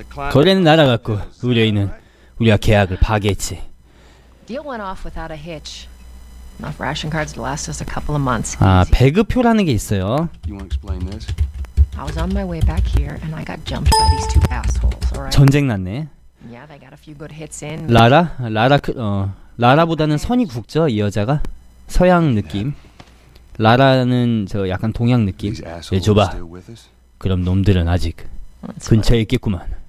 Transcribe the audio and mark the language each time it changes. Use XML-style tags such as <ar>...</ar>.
<ko>거래는 날아갔고 우리가 계약을 파괴했지.</ko> <en>Deal went off without a hitch. Enough ration cards to last us a couple of months.</en> <ko>아, 배급표라는 게 있어요.</ko> <en>I was on my way back here and I got jumped by these two assholes. All right.</en> <ko>전쟁 났네.</ko> <en>Yeah, they got a few good hits in.</en> <ko>라라? 라라보다는 선이 굵죠, 이 여자가. 서양 느낌. 라라는 저 약간 동양 느낌. 예, 줘봐. 그럼 놈들은 아직 근처에 있겠구만.</ko>